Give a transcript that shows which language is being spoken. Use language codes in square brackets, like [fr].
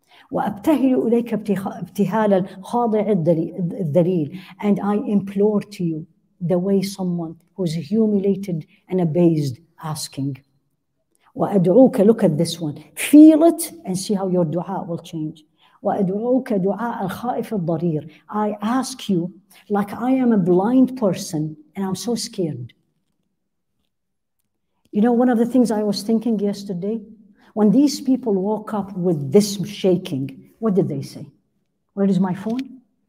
[ar] Wa abtahilu ilayka ibtihal al-khadi' al-dalil. [en] And I implore to you the way someone who is humiliated and abased asking. [ar] Wa ad'uka. [en] Look at this one. Feel it and see how your dua will change. [ar] وأدعوك دعاء الخائف الضرير. [en] I ask you, like I am a blind person and I'm so scared. You know, one of the things I was thinking yesterday, when these people woke up with this shaking, what did they say? Where is my phone?